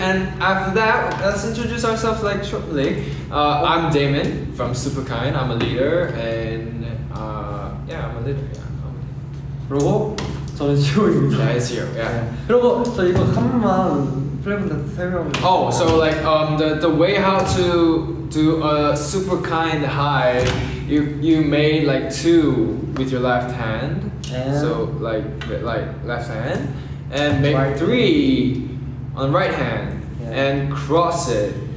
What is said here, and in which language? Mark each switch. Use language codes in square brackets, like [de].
[en] And after that, let's introduce ourselves like shortly. I'm Damon from Superkind. I'm a leader and yeah, I'm a leader. Yeah, I'm a leader. [ko] 그리고 저는 지호입니다. [en] Yeah, it's you. Yeah. [ko] 그리고 저 이거 한 번만 플랫폼에서 설명. [en] Oh, so like the way how to do a Superkind high, you made like two with your left hand. And so like left hand. And make right. three on the right hand yeah. and cross it.